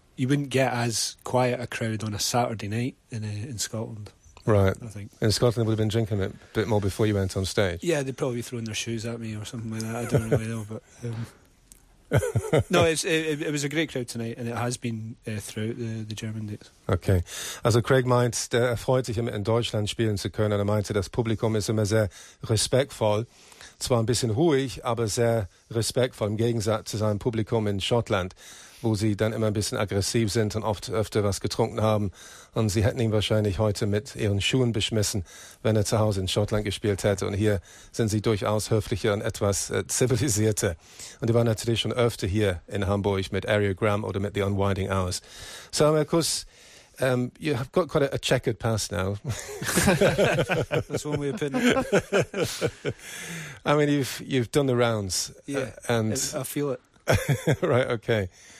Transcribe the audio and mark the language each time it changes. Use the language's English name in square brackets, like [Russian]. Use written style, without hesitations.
[English] You wouldn't get as quiet a crowd on a Saturday night in Scotland. Right. I think. In Scotland, they would have been drinking a bit more before you went on stage. Yeah, they'd probably be throwing their shoes at me or something like that. I don't really know, but... no, it was a great crowd tonight, and it has been throughout the German dates. Okay. [German] Also Craig meint, er freut sich, in Deutschland spielen zu können, und er meinte, das Publikum ist immer sehr respektvoll. Zwar ein bisschen ruhig, aber sehr respektvoll, im Gegensatz zu seinem Publikum in Schottland, wo sie dann immer ein bisschen aggressiv sind und oft öfter was getrunken haben. Und sie hätten ihn wahrscheinlich heute mit ihren Schuhen beschmissen, wenn er zu Hause in Schottland gespielt hätte. Und hier sind sie durchaus höflicher und etwas zivilisierter. Und die waren natürlich schon öfter hier in Hamburg mit Areogram oder mit The Unwinding Hours. [English] So, Markus, you have got quite a checkered past now. That's one way of putting it. I mean, you've done the rounds. Yeah, and I feel it. Right, okay.